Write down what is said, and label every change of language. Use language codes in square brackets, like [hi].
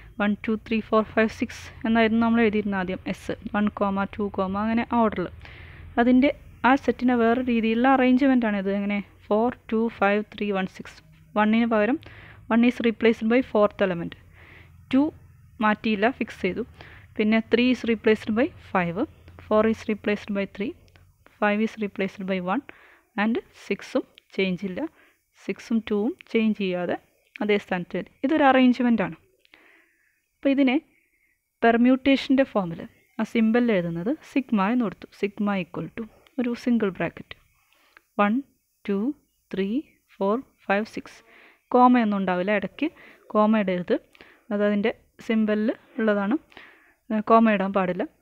[ml] 1, 2, 3, 4, 5, 6 എന്നായിരുന്നു നമ്മൾ എഴുതിയിരുന്നത് ആദ്യം. എസ് 1, 2, അങ്ങനെ ആ ഓർഡറിൽ. അതിൻ്റെ ആ സെറ്റിനെ വേറെ രീതിയിലുള്ള അറേഞ്ച്മെൻറ്റാണ് ഇത്. എങ്ങനെ 4, 2, 5, 3, 1, 6, 1-ന് പകരം [en] 1 is replaced by 4th element, [ml] 2 മാറ്റിയില്ല, fix ചെയ്തു. [en] പിന്നെ 3 is replaced by 5, 4 is replaced by 3, 5 is replaced by 1 and 6 [ml] change ഇല്ല. 6-ഉം 2-ഉം ചേഞ്ച് ചെയ്യാതെ അതേ സ്ഥാനത്ത്. ഇതൊരു അറേഞ്ച്മെൻറ്റാണ്. അപ്പോൾ ഇതിനെ പെർമ്യൂട്ടേഷൻ്റെ ഫോമില് ആ സിമ്പിളിൽ എഴുതുന്നത് സിഗ്മ എന്ന് കൊടുത്തു. സിഗ്മ ഈക്വൽ ടു ഒരു സിംഗിൾ ബ്രാക്കറ്റ് 1, 2, 3, 4, 5, 6 കോമ ഒന്നും ഉണ്ടാവില്ല, ഇടയ്ക്ക് കോമ ഇടരുത്, അത് അതിൻ്റെ സിമ്പിളിൽ ഉള്ളതാണ്, കോമ ഇടാൻ പാടില്ല.